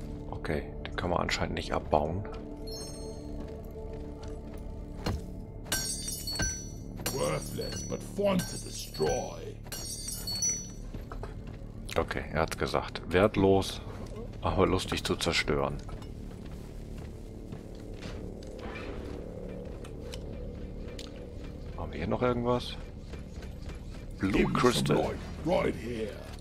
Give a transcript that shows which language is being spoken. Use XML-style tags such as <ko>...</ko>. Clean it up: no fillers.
<de>Okay, den kann man anscheinend nicht abbauen.</de> <en>Worthless, but fun to destroy.</en> <de>Okay, er hat's gesagt. Wertlos, aber lustig zu zerstören. Haben wir hier noch irgendwas?</de> <en>Blue Crystal. Right here.</en>